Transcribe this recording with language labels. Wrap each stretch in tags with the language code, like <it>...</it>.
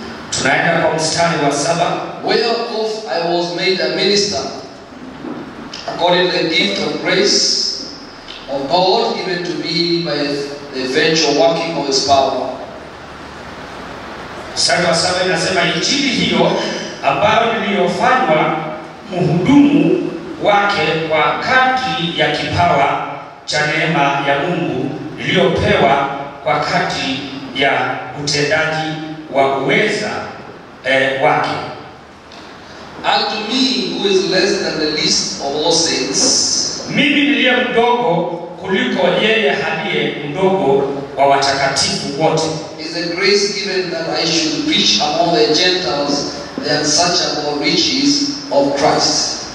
<sw>Tunaenda kwa mstari wa saba.</sw> <en>Whereof I was made a minister according to the gift of grace of God given to me by the eventual working of his power.</en> <sw>Mstari wa saba inasema injili hiyo ambayo niliyofanywa mhudumu wake kwa kadri ya kipawa cha neema ya Mungu iliyopewa kwa kadri ya utendaji wa uweza wake.</sw> <en>And to me who is less than the least of all saints,</en> <sw>mimi niliye mdogo kuliko yeye aliye mdogo wa watakatifu wote,</sw> <en>is the grace given that I should preach among the Gentiles the unsearchable riches of Christ.</en>